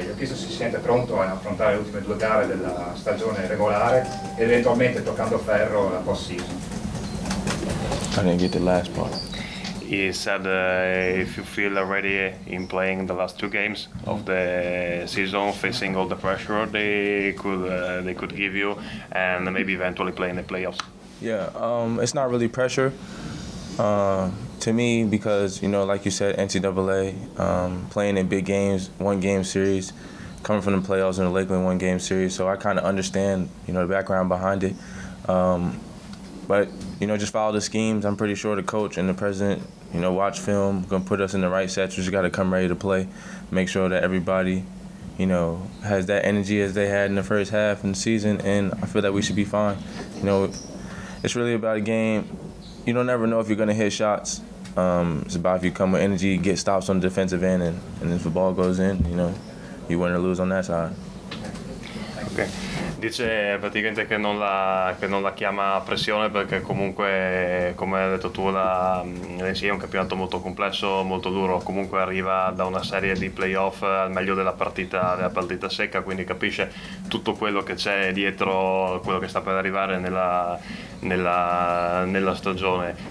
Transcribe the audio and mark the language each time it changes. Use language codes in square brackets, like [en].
[it] Io ho chiesto se si sente pronto a affrontare le ultime due gare della stagione regolare ed eventualmente toccando ferro la post season. [en] I didn't get the last part. He said if you feel ready in playing the last two games of the season, facing all the pressure they could give you, and maybe eventually play in the playoffs. Yeah, it's not really pressure to me, because, you know, like you said, NCAA, playing in big games, one game series, coming from the playoffs in the Lakeland one game series, so I kind of understand, you know, the background behind it. But, you know, just follow the schemes. I'm pretty sure the coach and the president, you know, watch film, gonna put us in the right sets. We just gotta come ready to play. Make sure that everybody, you know, has that energy as they had in the first half and season, and I feel that we should be fine. You know, it's really about a game. You don't ever know if you're gonna hit shots. It's about if you come with energy, get stops on the defensive end, and if the ball goes in, you know, you win or lose on that side. Okay. [it] Dice praticamente che non la chiama pressione, perché comunque, come hai detto tu, l'NCAA è un campionato molto complesso, molto duro. Comunque arriva da una serie di playoff al meglio della partita secca, quindi capisce tutto quello che c'è dietro, quello che sta per arrivare nella stagione.